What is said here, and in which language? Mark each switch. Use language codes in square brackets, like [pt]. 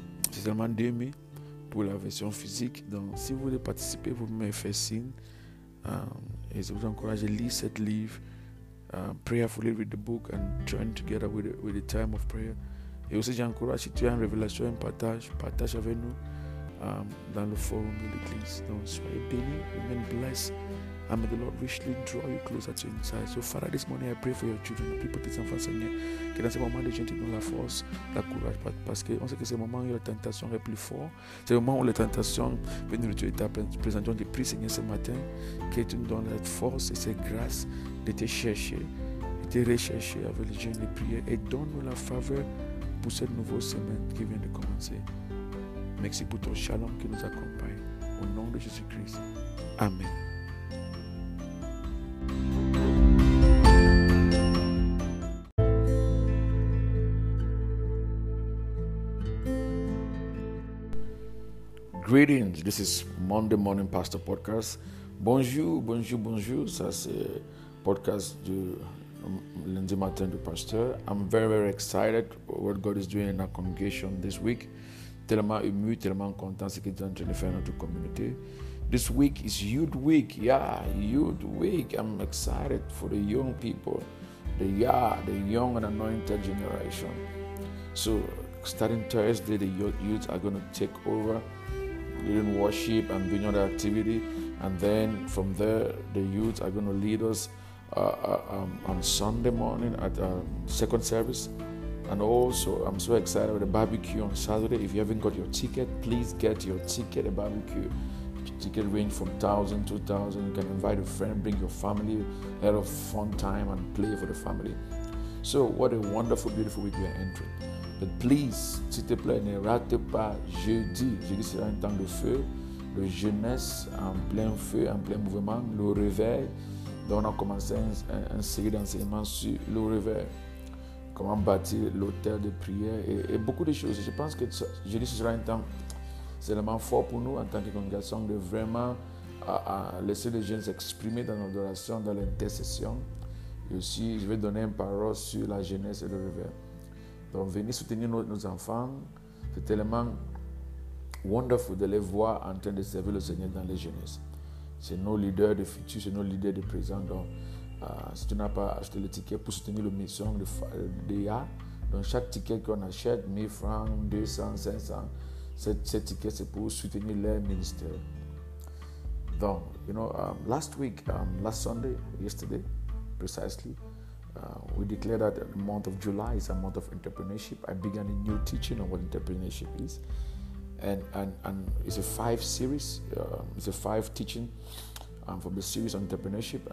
[fr] C'est seulement 2000 pour la version physique. Donc, si vous voulez participer, vous pouvez me faire signe. Et je vous encourage à lire cette livre, [en] prayerfully read the book and join together with the time of prayer. [fr] Et aussi, j'encourage, si tu as une révélation, un partage, partage avec nous dans le forum de l'église. Donc, soyez bénis, [en] remain blessed. And may the Lord richly draw you closer to his side. So, Father, this morning I pray for your children, the people, [fr] tes enfants, Seigneur. Que dans ce moment, les gens te donnent la force, la courage. Parce qu'on sait que c'est le moment où la tentation est plus forte. C'est le moment où la tentation vient de retirer ta présence. Donc, je prie, Seigneur, ce matin, que tu nous donnes cette force et cette grâce de te chercher, de te rechercher avec les jeunes, les prières. Et donne-nous la faveur pour cette nouvelle semaine qui vient de commencer. Merci pour ton shalom qui nous accompagne. Au nom de Jésus-Christ. Amen. [en] Greetings, this is Monday Morning Pastor Podcast. [fr] Bonjour, bonjour, bonjour. Ça c'est podcast du lundi matin du pasteur. [en] I'm very, very excited what God is doing in our congregation this week. [fr] Tellement ému, tellement content ce qu'il est en train de faire dans notre communauté. [en] This week is Youth Week. Yeah, Youth Week. I'm excited for the young people. The young and anointed generation. So, starting Thursday, the youth are going to take over leading worship and doing other activity. And then from there, the youth are going to lead us on Sunday morning at second service. And also, I'm so excited about the barbecue on Saturday. If you haven't got your ticket, please get your ticket, the barbecue. Ticket range from 1,000, 2,000. You can invite a friend, bring your family, have a fun time and play for the family. So what a wonderful, beautiful week we are entering. But please, [fr] s'il te plaît, ne rate pas jeudi. Jeudi sera un temps de feu, de jeunesse, en plein feu, en plein mouvement, le réveil. Donc on a commencé un série d'enseignements sur le réveil. Comment bâtir l'autel de prière et beaucoup de choses. Je pense que jeudi sera un temps tellement fort pour nous en tant que congrégation de vraiment à laisser les jeunes s'exprimer dans l'adoration, dans l'intercession. Et aussi, je vais donner une parole sur la jeunesse et le réveil. Donc, venez soutenir nos enfants. C'est tellement wonderful de les voir en train de servir le Seigneur dans les jeunesses. C'est nos leaders de futur, c'est nos leaders de présent. Donc, si tu n'as pas acheté le ticket pour soutenir la mission d'IA, donc chaque ticket qu'on achète, 1000 francs, 200, 500, cet ticket, c'est pour soutenir leur ministère. [en] Donc, you know, last week, last Sunday, yesterday, precisely, we declared that the month of July is a month of entrepreneurship. I began a new teaching on what entrepreneurship is. And it's a 5 series, it's a 5 teaching from the series on entrepreneurship.